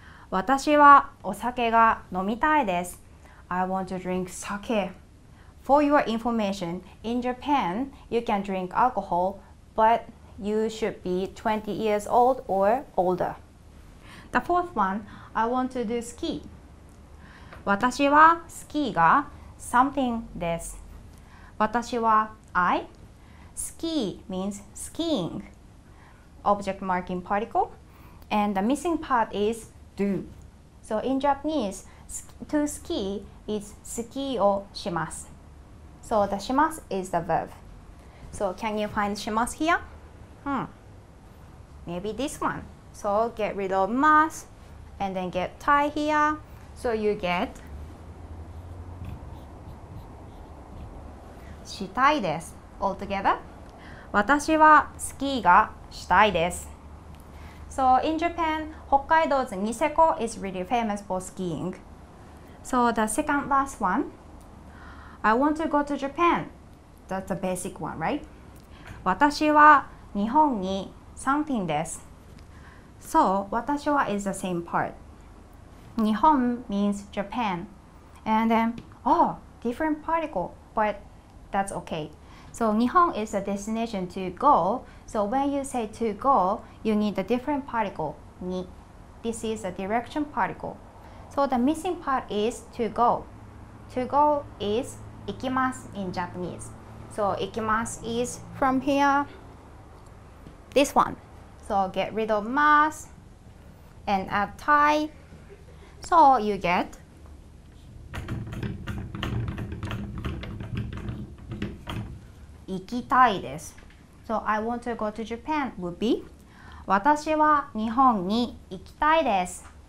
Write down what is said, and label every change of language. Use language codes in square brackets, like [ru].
[ja] 私はお酒が飲みたいです。 [en] I want to drink sake. For your information, in Japan, you can drink alcohol, but you should be 20 years old or older. The fourth one, I want to do ski. [ja] 私はスキーが something です。 [en] 私は I? Ski means skiing. Object marking particle, and the missing part is do. So in Japanese, to ski is ski o shimasu. So the shimasu is the verb. So can you find shimasu here? Maybe this one. So get rid of mas, and then get tai here. So you get [ja] shitai desu. [en] Altogether, [ja] 私はスキーがしたいです。 [en] So in Japan, Hokkaido's Niseko is really famous for skiing. So the second last one, I want to go to Japan. That's a basic one, right? [ja] 私は日本に something です。 [en] So 私は is the same part. 日本 means Japan. And then, oh, different particle, but that's okay. So, 日本 is a destination to go. So, when you say to go, you need a different particle, ni. This is a direction particle. So, the missing part is to go. To go is 行きます in Japanese. So, 行きます is from here. This one. So get rid of mas and add tai. So you get ikitai desu. So I want to go to Japan would be [ja] 私は日本に行きたいです。